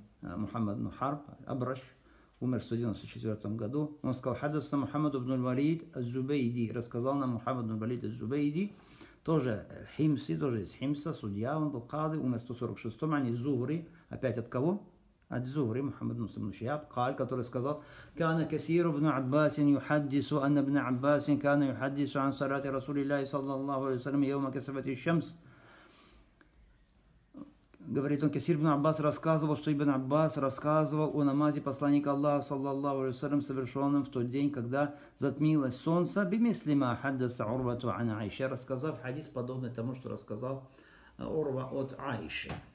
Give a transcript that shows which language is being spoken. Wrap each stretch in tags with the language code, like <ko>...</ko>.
<ru>Мухаммад ибн Харб, Абраш, умер в 194-м году. Он сказал, хаддасана Мухаммад ибн аль-Валид аз-Зубейди. Рассказал нам Мухаммад ибн аль-Валид аз-Зубейди. Тоже Химси, тоже из Химса, судья, он был кады, умер в 146-м, они Зугри, опять от кого?</ru> <ar>الزهري محمد مسلم بن شهاب قال</ar> <ru>который сказал</ru> <ar>كان كثير بن عباس يحدث أن ابن عباس كان يحدث عن صلاة رسول الله صلى الله عليه وسلم يوم كسفت الشمس.</ar> <ru>Говорит он, Кесир ибн Аббас рассказывал, что ибн Аббас рассказывал о намазе посланника Аллаха, саллаллаху алейхи ва саллям, совершенном в тот день, когда затмилось солнце,</ru> <ar>бимисли ма хаддаса Урвату ан Айша,</ar> <ru>рассказав хадис, подобный тому, что рассказал Урва от Айши.</ru>